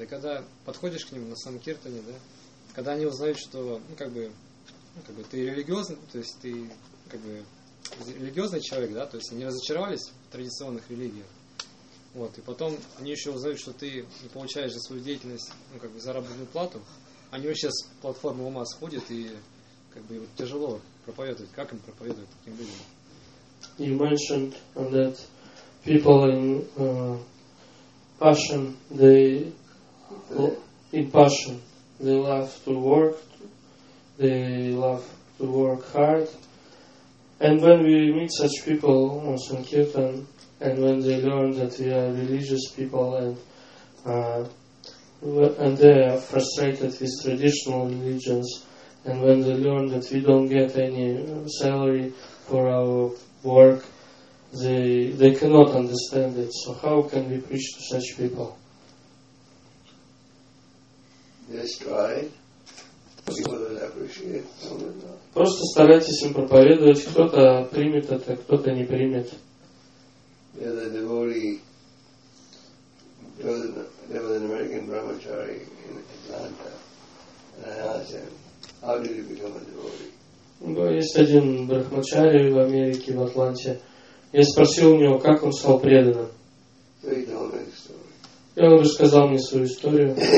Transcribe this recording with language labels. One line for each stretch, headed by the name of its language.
Russian: И когда подходишь к ним на санкиртане, да, когда они узнают, что ты религиозный, то есть ты религиозный человек, да, то есть они разочаровались в традиционных религиях. Вот. И потом они еще узнают, что ты получаешь за свою деятельность, заработную плату, они вообще с платформы ума сходят и тяжело проповедовать. Как им проповедовать таким людям?
English: You mentioned that people in passion, they love to work, they love to work hard. And when we meet such people on Sankirtan, and when they learn that we are religious people and they are frustrated with traditional religions, and when they learn that we don't get any salary for our work, they cannot understand it. So how can we preach to such people? Just try. People will appreciate.
Russian: Просто старайтесь им проповедовать. Кто-то примет это, кто-то не примет.
English: The other devotee there was an American brahmachari in Atlanta, and I asked him, how did you become a devotee?
Russian: Есть один брахмачари в Америке, в Атланте. Я спросил у него, как он стал преданным. И он рассказал мне свою историю.